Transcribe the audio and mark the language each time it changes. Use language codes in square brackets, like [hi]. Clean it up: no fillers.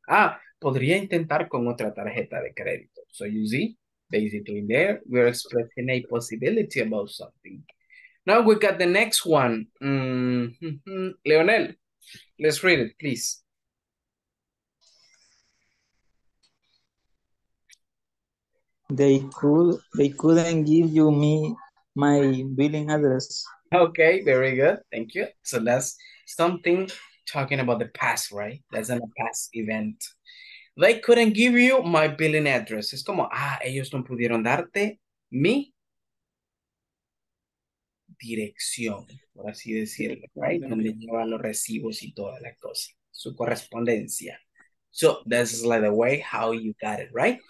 [es] Ah, podría intentar con otra tarjeta de crédito. [en] So you see? Basically, there we're expressing a possibility about something. Now we got the next one. Leonel, let's read it, please. They couldn't give you me my billing address. Okay, very good. Thank you. So that's something talking about the past, right? That's a past event. They couldn't give you my billing address. [es] Es como, ah, ellos no pudieron darte mi dirección, por así decirlo, right? Donde llevan los recibos y toda la cosa, su correspondencia. [en] So that's like the way how you got it, right?